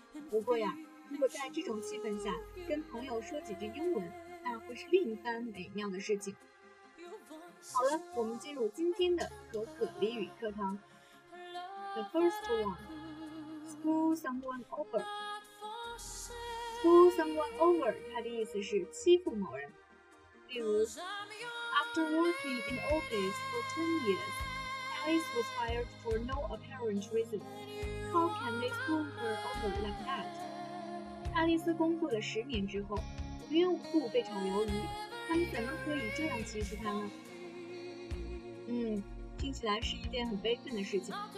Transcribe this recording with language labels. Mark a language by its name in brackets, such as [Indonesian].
[Chinese] 不过呀，如果在这种气氛下跟朋友说几句英文，那会是另一番美妙的事情。好了，我们进入今天的可可俚语课堂。 [English] The first one, screw someone over。 Screw someone over， [Chinese] 它的意思是欺负某人。 [English] 例如 ，After working in office for 10 years, Alice was fired for no apparent reason. How can they screw her over like that？ [Chinese] 爱丽丝工作了10年之后，无缘无故被炒鱿鱼，他们怎么可以这样欺负她呢？听起来是一件很悲愤的事情。